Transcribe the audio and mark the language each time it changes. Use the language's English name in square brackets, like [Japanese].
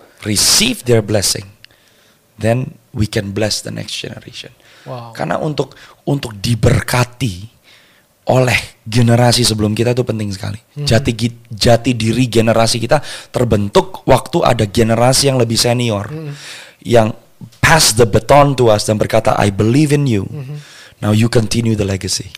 [English] Receive their blessing, then we can bless the next generation. Wow. [Indonesian] Karena untuk diberkati oleh generasi sebelum kita itu penting sekali. Jati diri generasi kita terbentuk waktu ada generasi yang lebih senior, yang [English] pass the baton to us [Indonesian] dan berkata, [English] I believe in you. Mm-hmm. Now you continue the legacy.